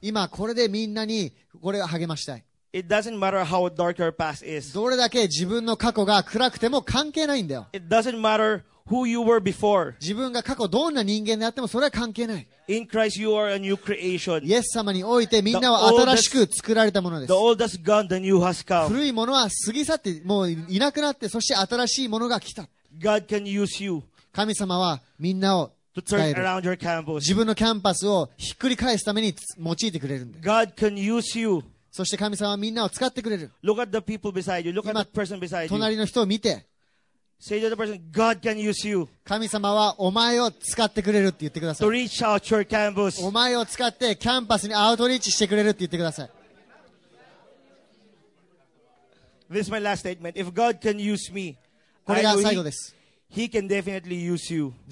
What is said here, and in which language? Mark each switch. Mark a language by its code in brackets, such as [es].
[ja] 今これでみんなにこれを励ましたい。 [en] It doesn't matter how dark your past is. [ja] どれだけ自分の過去が暗くても関係ないんだよ。 [en] It doesn't matter who you were before. [ja] 自分が過去どんな人間であってもそれは関係ない。 [en] In Christ you are a new creation. [ja] イエス様においてみんなは新しく作られたものです。 [en] The old has gone, the new has come. [ja] 古いものは過ぎ去って、もういなくなって、そして新しいものが来た。 [en] God can use you. [ja] 神様はみんなを [en] To turn around your campus. [ja] 自分のキャンパスをひっくり返すために用いてくれるんだ。 [en] God can use you. [ja] そして神様はみんなを使ってくれる。 [en] Look at the people beside you. Look at the person beside you. [ja] 隣の人を見て。 [en] Say to the person, God can use you. [ja] 神様はお前を使ってくれるって言ってください。 [en] To reach out your campus. [ja] お前を使ってキャンパスにアウトリーチしてくれるって言ってください。 [en] This is my last statement. If God can use me, [ja] これが最後です。 [en] He can definitely use you.